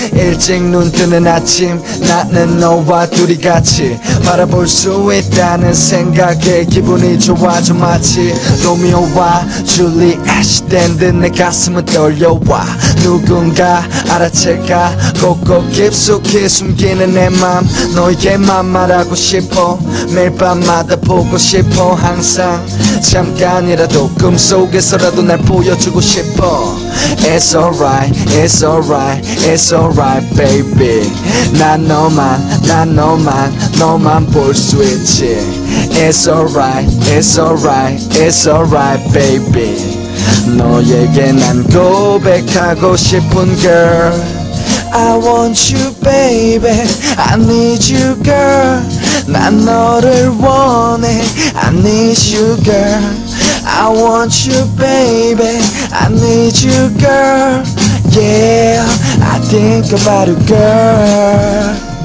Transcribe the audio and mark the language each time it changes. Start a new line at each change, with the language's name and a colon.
Korean: 일찍 눈 뜨는 아침 나는 너와 둘이 같이 바라볼 수 있다는 생각에 기분이 좋아져 마치 로미오와 줄리엣 시댄듯 내 가슴은 떨려와. 누군가 알아챌까 곳곳 깊숙이 숨기는 내 맘 너에게만 말하고 싶어. 매일 밤마다 보고 싶어. 항상 잠깐이라도 꿈속에서라도 날 보여주고 싶어.
English: It's alright, it's alright, it's alright baby.
Korean: 난 너만, 난 너만, 너만 볼 수 있지.
English: It's alright, it's alright, it's alright baby.
Korean: 너에게 난 고백하고 싶은 girl.
English: I want you baby, I need you girl.
Korean: 난 너를 원해,
English: I need you girl. I want you baby, I need you girl. Yeah, I think about you girl.